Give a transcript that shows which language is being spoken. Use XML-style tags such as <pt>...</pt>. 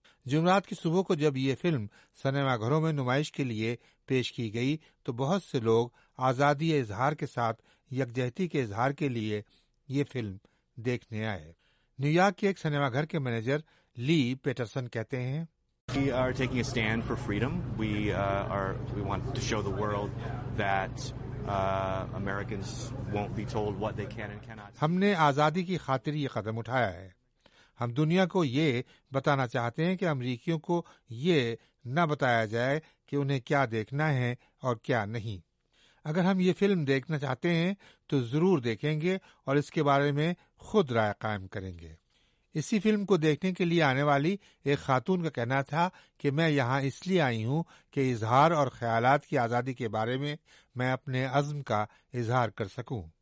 <ur>جمعرات کی صبح کو جب یہ فلم سنیما گھروں میں نمائش کے لیے پیش کی گئی تو بہت سے لوگ آزادی اظہار کے ساتھ یکجہتی کے اظہار کے لیے یہ فلم دیکھنے آئے. نیو یارک کے ایک سنیما گھر کے مینیجر لی پیٹرسن کہتے ہیں,</ur> <en>We are taking a stand for freedom. We want to show the world that Americans won't be told what they can and cannot.</en> <ur>ہم نے آزادی کی خاطر یہ قدم اٹھایا ہے. ہم دنیا کو یہ بتانا چاہتے ہیں کہ امریکیوں کو یہ نہ بتایا جائے کہ انہیں کیا دیکھنا ہے اور کیا نہیں۔ اگر ہم یہ فلم دیکھنا چاہتے ہیں تو ضرور دیکھیں گے اور اس کے بارے میں خود رائے قائم کریں گے۔ اسی فلم کو دیکھنے کے لیے آنے والی ایک خاتون کا کہنا تھا کہ میں یہاں اس لیے آئی ہوں کہ اظہار اور خیالات کی آزادی کے بارے میں میں اپنے عزم کا اظہار کر سکوں۔</ur>